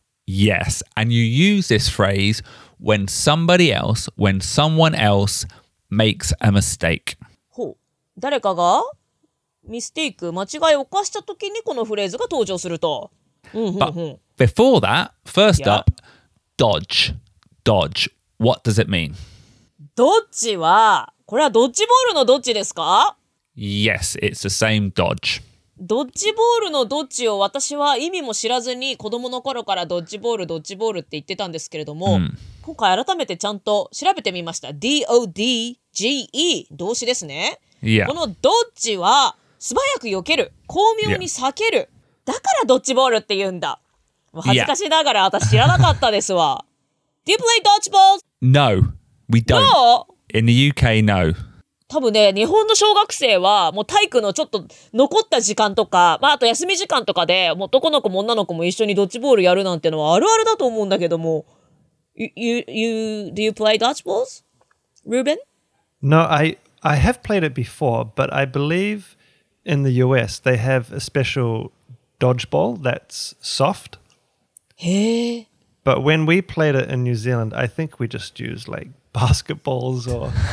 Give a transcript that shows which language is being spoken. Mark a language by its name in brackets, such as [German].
[English] Yes, and you use this phrase when someone else makes a mistake. [Japanese] ほう、誰かがミステイク、間違いを犯したときにこのフレーズが登場すると。 [English] But before that, first up, dodge. Dodge. What does it mean? [Japanese] ドッジは、これはドッジボールのドッジですか？ [English] Yes, it's the same dodge. [Japanese] ドッジボールのドッジを私は意味も知らずに子供の頃からドッジボール、ドッジボールって言ってたんですけれども、今回改めてちゃんと調べてみました。 D-O-D-G-E、動詞ですね。 [English] Yeah. [Japanese] このドッジは、素早く避ける、巧妙に避ける、yeah. だからドッジボールって言うんだ。恥ずかしながら私知らなかったですわ。 [English] Do you play dodgeball? No, we don't. No? In the UK, no. [Japanese] 多分ね、日本の小学生はもう体育のちょっと残った時間とか、まああと休み時間とかで、もう男の子も女の子も一緒にドッジボールやるなんてのはあるあるだと思うんだけども。 [English] Do you play dodgeballs, Ruben? No, I have played it before, but I believeIn the US, they have a special dodgeball that's soft. Hey. But when we played it in New Zealand, I think we just used like basketballs or.